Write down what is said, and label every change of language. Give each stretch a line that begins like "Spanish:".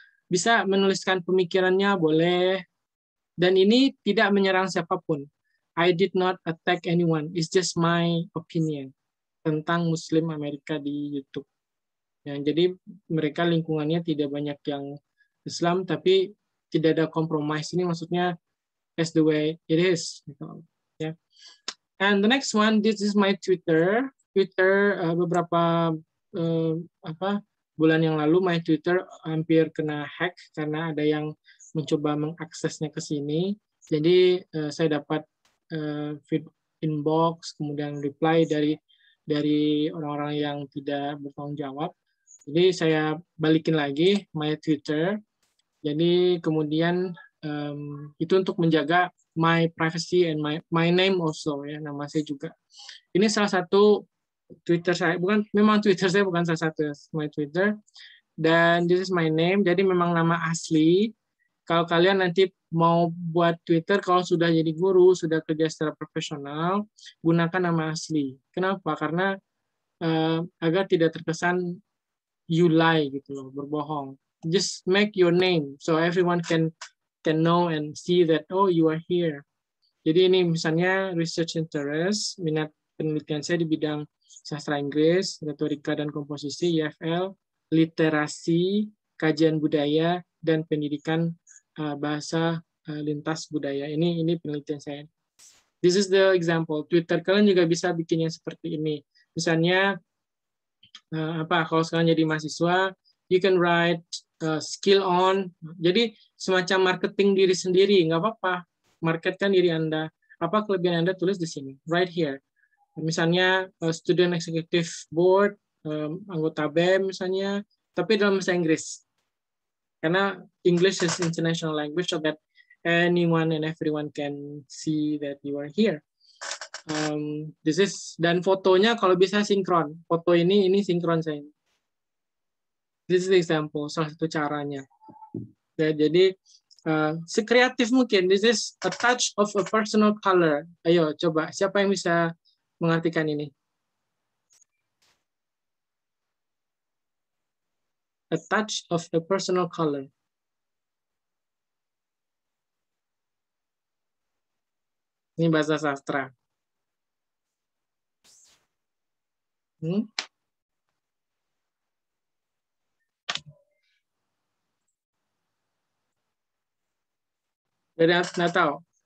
Indonesian: Bisa menuliskan pemikirannya, boleh. Dan ini tidak menyerang siapapun.
English: I did not attack anyone. It's just my opinion
Indonesian: tentang Muslim Amerika di YouTube. Ya, jadi mereka lingkungannya tidak banyak yang Islam, tapi tidak ada kompromis. Ini maksudnya
English: as the way it is.
Indonesian: Ya.
English: And the next one, this is my Twitter.
Indonesian: Twitter beberapa bulan yang lalu, my Twitter hampir kena hack karena ada yang mencoba mengaksesnya ke sini. Jadi saya dapat feed inbox, kemudian reply dari orang-orang yang tidak bertanggung jawab. Jadi saya balikin lagi my Twitter. Jadi kemudian itu untuk menjaga
English: my privacy and my name also,
Indonesian: ya, nama saya juga. Ini salah satu Twitter saya, my Twitter. Dan
English: this is my name,
Indonesian: jadi memang nama asli. Kalau kalian nanti mau buat Twitter, kalau sudah jadi guru, sudah kerja secara profesional, gunakan nama asli. Kenapa? Karena agar tidak terkesan
English: you lie,
Indonesian: gitu loh, berbohong.
English: Just make your name so everyone can know and see that, oh, you are here.
Indonesian: Jadi ini misalnya research interest, minat penelitian saya di bidang sastra Inggris, retorika dan komposisi, EFL, literasi, kajian budaya, dan pendidikan bahasa lintas budaya. Ini penelitian saya.
English: This is the example.
Indonesian: Twitter kalian juga bisa bikin yang seperti ini. Misalnya, kalau sekarang jadi mahasiswa,
English: you can write skill on.
Indonesian: Jadi semacam marketing diri sendiri, nggak apa-apa. Marketkan diri Anda. Apa kelebihan Anda, tulis di sini,
English: right here.
Indonesian: Misalnya student executive board, anggota BEM misalnya, tapi dalam bahasa Inggris.
English: Karena English is international language, so that anyone and everyone can see that you are here. This is,
Indonesian: dan fotonya kalau bisa sinkron. Foto ini sinkron saya.
English: This is the example,
Indonesian: salah satu caranya. Yeah, jadi, sekreatif mungkin.
English: This is a touch of a personal color.
Indonesian: Ayo, coba. Siapa yang bisa mengartikan ini?
English: A touch of a personal color.
Indonesian: Ini bahasa sastra. Dari Natal.